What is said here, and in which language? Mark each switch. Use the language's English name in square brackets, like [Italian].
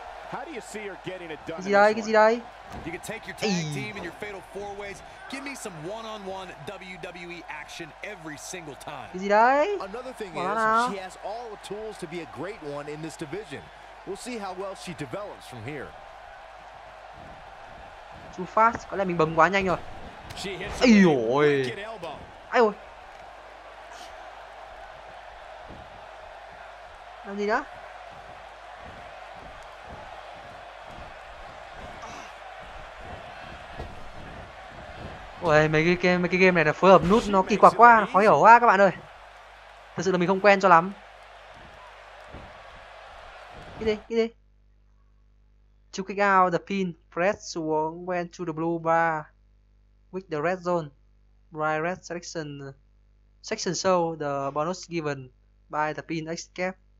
[English] How do you see her getting it done? [Vietnamese] Cái gì đây? [English] You can take your tag team and your fatal four ways. Give me some one-on-one WWE action every single time. [Vietnamese] Cái gì đây? [English] Another thing is, she has all the tools to be a great one in this division. We'll see how well she develops from here. Too fast. [Vietnamese] Có lẽ mình bấm quá nhanh rồi. Ây ôi. Ây ôi. Làm gì đó? Ôi, mấy cái game này là phối hợp nút nó kỳ quặc quá, khó hiểu quá các bạn ơi. Thật sự là mình không quen cho lắm. Cái gì? [English] To kick out the pin, press [Vietnamese] xuống, [English] went to the blue bar. With the red zone, by red section, section show the bonus given by the pin escape.